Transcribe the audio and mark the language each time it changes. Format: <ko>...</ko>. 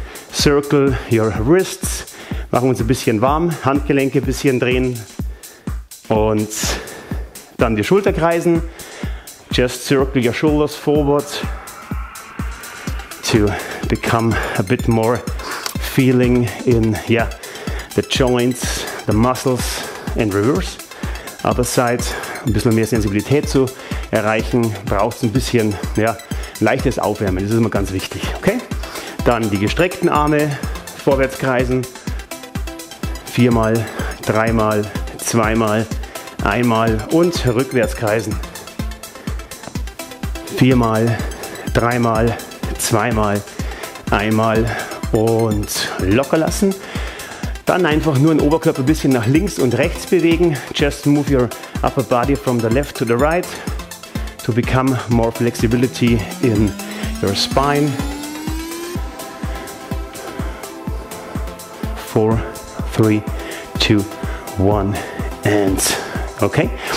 <en>Circle your wrists,</en> <de>machen uns ein bisschen warm, Handgelenke ein bisschen drehen und dann die Schulter kreisen.</de> <en>Just circle your shoulders forward to become a bit more feeling in, yeah, the joints, the muscles, and reverse. Other side,</en> <de>ein bisschen mehr Sensibilität zu erreichen, braucht es ein bisschen, ja, leichtes Aufwärmen, das ist immer ganz wichtig, okay? Dann die gestreckten Arme, vorwärts kreisen, viermal, dreimal, zweimal, einmal und rückwärts kreisen. Viermal, dreimal, zweimal, einmal und locker lassen. Dann einfach nur den Oberkörper ein bisschen nach links und rechts bewegen.</de> <en>Just move your upper body from the left to the right to become more flexibility in your spine. Four, three, two, one, and okay.</en>